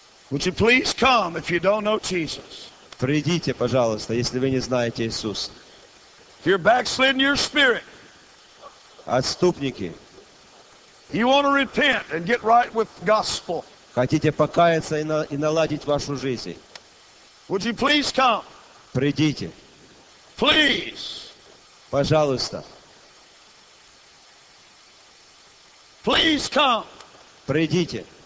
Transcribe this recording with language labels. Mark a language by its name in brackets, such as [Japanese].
[English] Would you please come if you don't know Jesus? [Russian] Придите, пожалуйста, если вы не знаете Иисуса. [English] If you're backslidden your spirit. [Russian] Отступники. [English] You want to repent and get right with the gospel. [Russian] Хотите покаяться и наладить вашу жизнь? [English] Would you please come? [Russian] Придите. [English] Please. [Russian] Пожалуйста. [English] Please come. [Russian] Придите.